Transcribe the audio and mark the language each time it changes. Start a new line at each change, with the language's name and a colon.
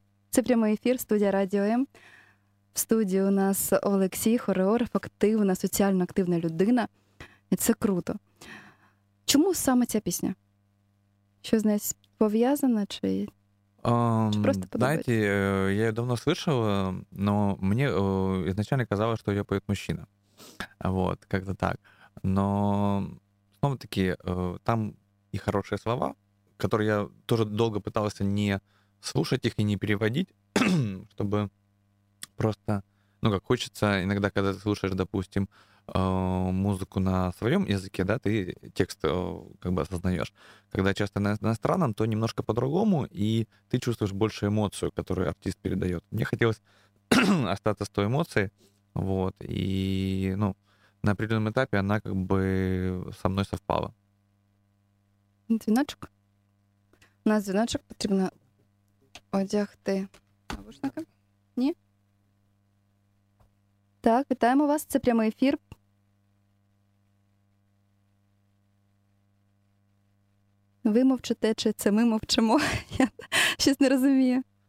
Ukrainian: Це прямий ефір, студія Радіо М. В студії у нас Олексій, хореограф, активна, соціально активна людина. І це круто. Чому саме ця пісня? Що з нею пов'язано, чи просто подобається? Знаєте, я давно слышав, але мені ізначально казалось, що її поет мужчина.
Russian: Вот, как-то так. Но
Ukrainian: знову-таки, там і хороші слова, які я теж довго
Russian: пытался не слушать их и не переводить, чтобы просто, ну, как хочется иногда, когда ты слушаешь, допустим, музыку на своем языке, да, ты текст как бы осознаешь. Когда часто на иностранном, то немножко по-другому, и ты чувствуешь больше эмоцию, которую артист передает. Мне хотелось остаться с той эмоцией, вот, и, ну, на определенном этапе она как бы со мной совпала.
Ukrainian: Дзвіночок. У нас дзвіночок потрібно одягти. Навушники? Ні? Так, вітаємо вас. Це прямий ефір. Ви мовчите, чи це ми мовчимо? Я щось не розумію.